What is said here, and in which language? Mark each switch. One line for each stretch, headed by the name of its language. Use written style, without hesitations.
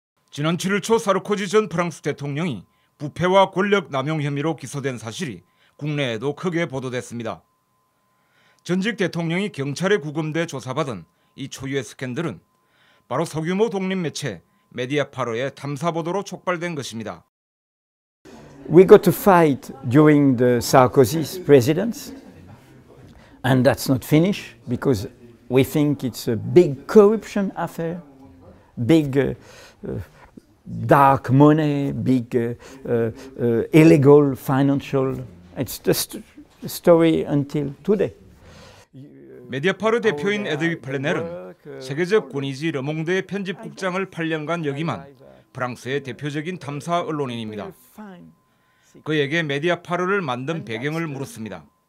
Korean: 지난 7일 초 사르코지 전 프랑스 대통령이 부패와 권력 남용 혐의로 기소된 사실이 국내에도 크게 보도됐습니다. 전직 대통령이 경찰에 구금돼 조사받은 이 초유의 스캔들은 바로 소규모 독립 매체 메디아파르의 탐사 보도로 촉발된 것입니다.
English: We got to fight during the Sarkozy's presidency. And that's not finished because we think it's a big corruption affair, big dark money, big illegal financial. It's just a story until today.
Korean: 메디아파르 대표인 에드위 플레넬은 세계적 권위지 르몽드의 편집국장을 8년간 역임한 프랑스의 대표적인 탐사 언론인입니다. 그에게 메디아파르를 만든 배경을 물었습니다.